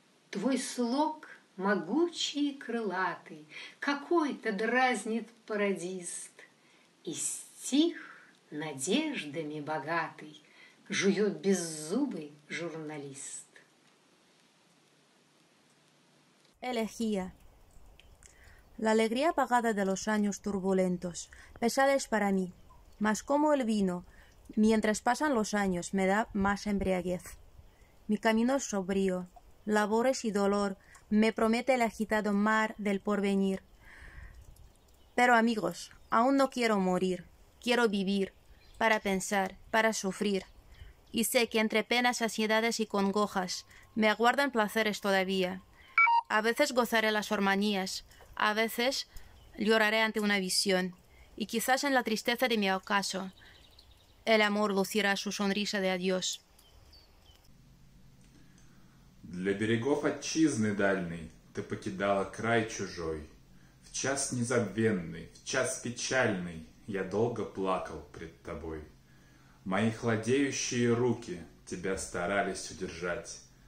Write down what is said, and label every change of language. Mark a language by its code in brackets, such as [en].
[ru] Твой слог могучий и крылатый, какой-то дразнит пародист. И стих надеждами богатый жует беззубый журналист. [es] Elegía. La alegría apagada de los años turbulentos, pesares para mí, mas como el vino, mientras pasan los años, me da más embriaguez. Mi camino es sombrío, labores y dolor, me promete el agitado mar del porvenir. Pero amigos, aún no quiero morir, quiero vivir, para pensar, para sufrir. Y sé que entre penas, ansiedades y congojas, me aguardan placeres todavía. A veces gozaré las hormanías, a veces lloraré ante una visión, y quizás en la tristeza de mi ocaso, el amor lucirá su sonrisa de adiós. [ru] Для берегов отчизны дальней ты покидала край чужой. В час незабвенный, в час печальный я долго плакал пред тобой. Мои хладеющие руки тебя старались удержать.